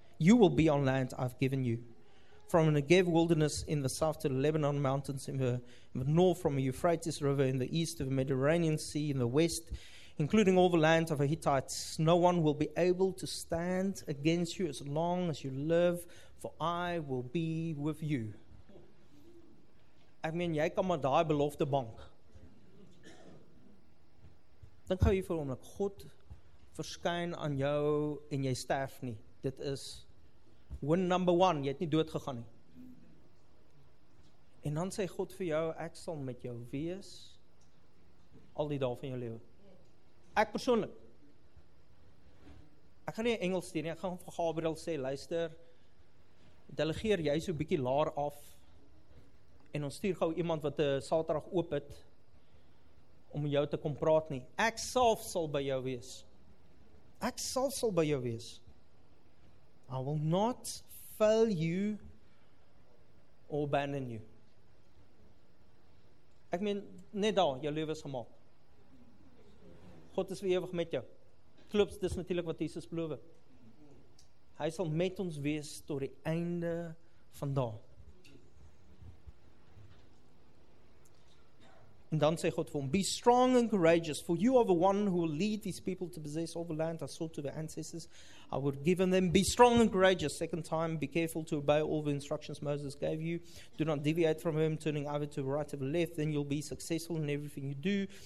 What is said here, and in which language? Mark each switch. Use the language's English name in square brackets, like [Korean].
[English] You will be on land I've given you. From the Negev wilderness in the south to the Lebanon mountains in the north, from the Euphrates River in the east to the Mediterranean Sea in the west, including all the land of the Hittites, no one will be able to stand against you as long as you live. For I will be with you. [Afrikaans] Ek meen, jy kan maar daai belofte bank. Dink gou hier vir oomblik, God verskyn aan jou en jy sterf nie. Dit is [English] win number one, [Afrikaans] jy het nie dood gegaan nie. En dan sê God vir jou, ek sal met jou wees al die dae van jou lewe. Ek persoonlik. Ek gaan nie Engels sê nie, ek gaan vir Gabriel sê, luister, delegeer jy so 'n bietjie laar af en ons stuur gou iemand wat 'n Saterdag oop het om met jou te kom praat nie. Ek self sal by jou wees. Ek self sal by jou wees. [English] I will not fail you or abandon you. [Afrikaans] Ek meen, net daar, jou lewe is gemaak. God is vir ewig met jou. Klop, dis natuurlik wat Jesus beloof. Hy sal met ons wees tot die einde van daar. En dan sê God vir hom, [English] be strong and courageous, for you are the one who will lead these people to possess all the land I sold to their ancestors. I would give them, be strong and courageous. Second time, be careful to obey all the instructions Moses gave you. Do not deviate from him, turning either to the right or the left. Then you'll be successful in everything you do.